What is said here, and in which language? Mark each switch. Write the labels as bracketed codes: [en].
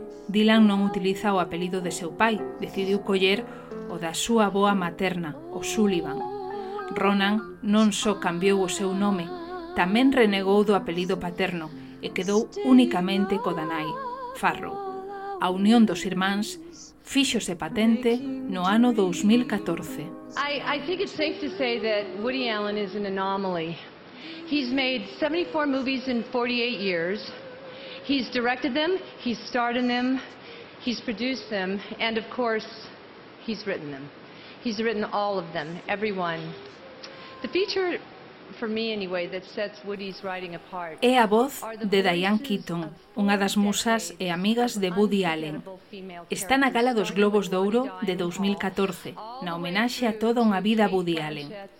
[gl] Dylan non utiliza o apelido de seu pai, decidiu coller o da súa avoa materna, o Sullivan. Ronan non só cambiou o seu nome, tamén renegou do apelido paterno e quedou únicamente co da nai, Farrow. A unión dos irmáns fíxose patente no ano 2014. [en] I think it's safe to say that Woody Allen is an anomaly. He's made 74 movies in 48 years. He's directed them, he's starred in them, he's produced them, and of course, he's written them. He's written all of them, every one. The feature for me anyway that sets Woody's writing apart. [gl] É a voz de Diane Keaton, unha das musas e amigas de Woody Allen. Está na gala dos Globos de Ouro de 2014, na homenaxe a toda unha vida a Woody Allen.